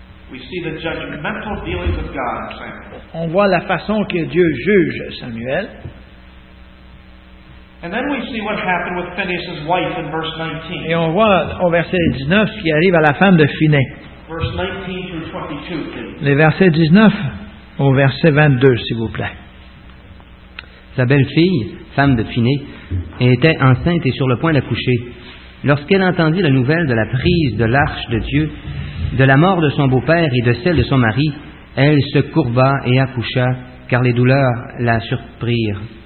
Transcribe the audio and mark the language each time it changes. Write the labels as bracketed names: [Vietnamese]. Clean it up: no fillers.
[English] We see the judgmental dealings of God, Samuel. [French] On voit la façon que Dieu juge Samuel. [English] And then we see what happened with Phinehas' wife in verse 19. [French] Et on voit au verset 19 ce qui arrive à la femme de Phinée. [English] Verse 19 through 22, please. [French] Les versets 19 au verset 22, s'il vous plaît. Sa belle-fille, femme de Phiné, était enceinte et sur le point d'accoucher. Lorsqu'elle entendit la nouvelle de la prise de l'arche de Dieu, de la mort de son beau-père et de celle de son mari, elle se courba et accoucha, car les douleurs la surprirent.